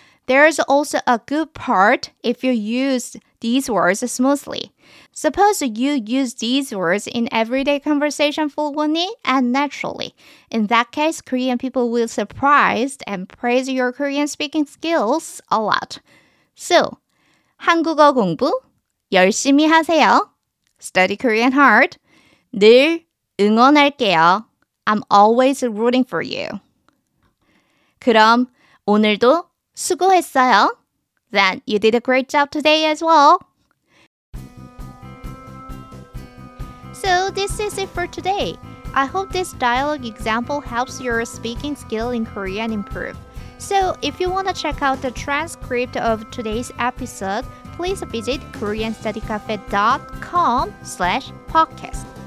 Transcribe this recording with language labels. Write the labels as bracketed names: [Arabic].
[English] There's also a good part if you use these words smoothly. Suppose you use these words in everyday conversation fluently and naturally. In that case, Korean people will be surprised and praise your Korean speaking skills a lot. [Korean] So, 한국어 공부 열심히 하세요. [English] Study Korean hard. [Korean] 늘 응원할게요. [English] I'm always rooting for you. [Korean] 그럼 오늘도 수고했어요. [English] Then you did a great job today as well. So this is it for today. I hope this dialogue example helps your speaking skill in Korean improve. So if you want to check out the transcript of today's episode, please visit koreanstudycafe.com/podcast.